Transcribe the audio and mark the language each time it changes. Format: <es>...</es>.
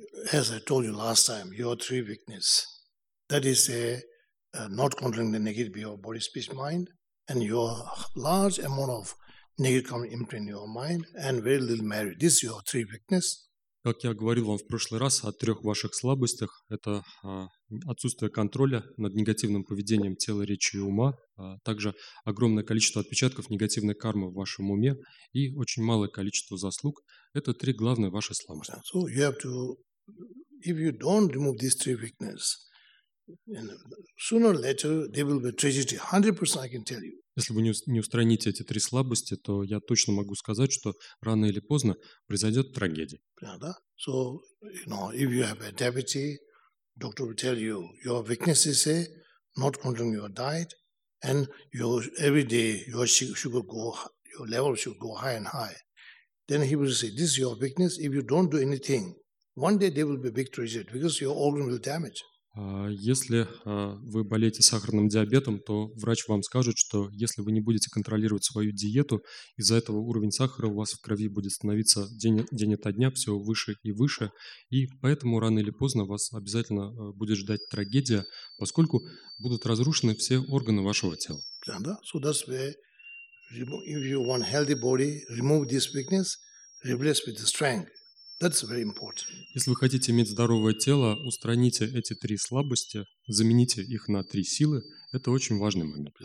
<en>As I told you last time, your three weakness, that is not controlling the negative behavior of body, speech, mind, and your large amount of negative karma imprint in your mind, and very little merit. This is your three weakness.</en> <ru>Как я говорил вам в прошлый раз о трех ваших слабостях, это отсутствие контроля над негативным поведением тела, речи и ума, также огромное количество отпечатков негативной кармы в вашем уме и очень малое количество заслуг. Это три главные ваши слабости.</ru> <en>So you have to, if you don't remove these three weaknesses, sooner or later there will be tragedy. 100% I can tell you.</en> <ru>Если вы не устраните эти три слабости, то я точно могу сказать, что рано или поздно произойдет трагедия. Да.</ru> <en>So, you know, if you have a diabetes, doctor will tell you your weaknesses are not controlling your diet, and your every day your sugar go, your level should go high and high. Then he will say, this is your weakness. If you don't do anything, one day there will be big tragedy because your organ will damage.</en> <ru>Если вы болеете сахарным диабетом, то врач вам скажет, что если вы не будете контролировать свою диету, из-за этого уровень сахара у вас в крови будет становиться день ото дня все выше и выше, и поэтому рано или поздно вас обязательно будет ждать трагедия, поскольку будут разрушены все органы вашего тела. Да,</ru> <en>so that's where, if you want healthy body, remove this weakness, replace with the strength. That's very important.</en> <ru>Если вы хотите иметь здоровое тело, устраните эти три слабости, замените их на три силы. Это очень важный момент.</ru>